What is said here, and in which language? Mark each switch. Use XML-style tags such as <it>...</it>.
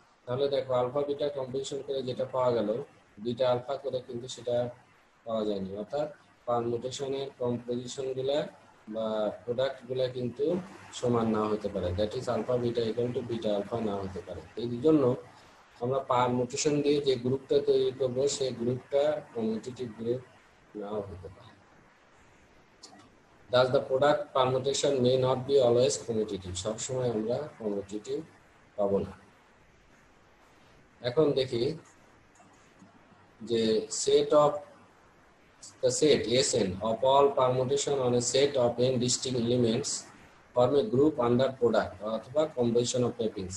<bn>তাহলে দেখো alpha beta composition করে যেটা পাওয়া গেল, বিটা আলফা করে কিন্তু সেটা পাওয়া যায়নি, অর্থাৎ পারমুটেশনের কম্পোজিশন গুলা বা প্রোডাক্ট গুলা কিন্তু সমান না হতে পারে,</bn> <en>that is alpha beta equal to beta alpha</en> <bn>না হতে পারে। এই জন্য আমরা পারমুটেশন দিয়ে যে গ্রুপটা তৈরি করবো সেই গ্রুপটা কমিউটেটিভ গ্রুপ নাও হতে পারে।</bn> <en>Thus the product permutation may not be always commutative.</en> <bn>সব সময় আমরা commutative পাবো না। এখন দেখি যে</bn> <en>set of the set SN of all permutation on a set of n distinct elements form a group under product অথবা composition of mapping।</en>